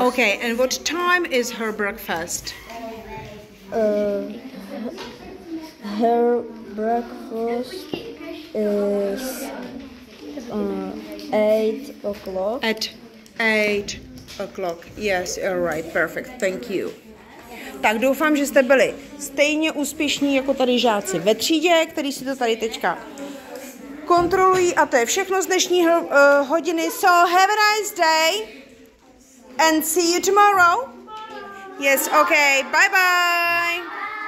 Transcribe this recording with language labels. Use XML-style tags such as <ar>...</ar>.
<en>Okay, and what time is her breakfast? Her breakfast is 8 o'clock. At 8 o'clock. Yes, all right, perfect, thank you.</en> <cs>Tak doufám, že jste byli stejně úspěšní jako tady žáci ve třídě, který si to tady teďka kontrolují. A to je všechno z dnešní hodiny.</cs> <en>So have a nice day and see you tomorrow. Yes, okay, bye bye.</en>